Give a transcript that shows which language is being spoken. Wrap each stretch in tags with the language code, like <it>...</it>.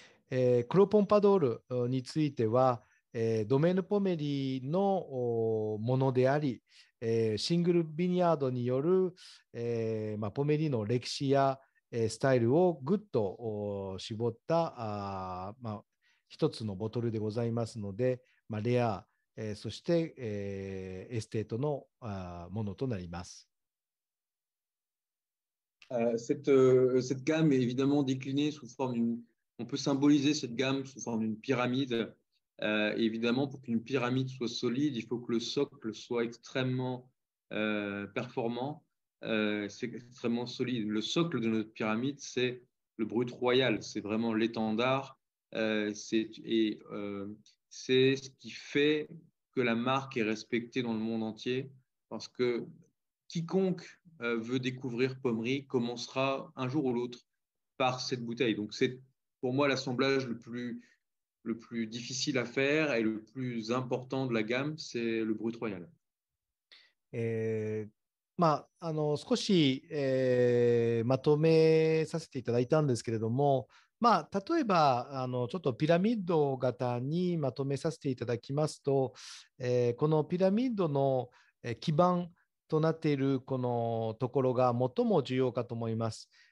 <ja>クロポンパドールについては、ドメーヌポメリーのものであり、シングルビニヤードによる、ポメリーの歴史や、スタイルをグッと絞った一つのボトルでございますので、レア、そして、エステートのものとなります。</ja> <fr>Cette gamme est évidemment déclinée sous forme d'une... On peut symboliser cette gamme sous forme d'une pyramide. Évidemment, pour qu'une pyramide soit solide, il faut que le socle soit extrêmement performant. C'est extrêmement solide. Le socle de notre pyramide, c'est le Brut Royal. C'est vraiment l'étendard. C'est ce qui fait que la marque est respectée dans le monde entier, parce que quiconque veut découvrir Pommery commencera un jour ou l'autre par cette bouteille. Donc c'est pour moi l'assemblage le plus difficile à faire et le plus important de la gamme, c'est le Brut Royal.</fr> <ja>少し、まとめさせていただいたんですけれども、例えばちょっとピラミッド型にまとめさせていただきますと、このピラミッドの基盤となっているこのところが最も重要かと思います。</ja>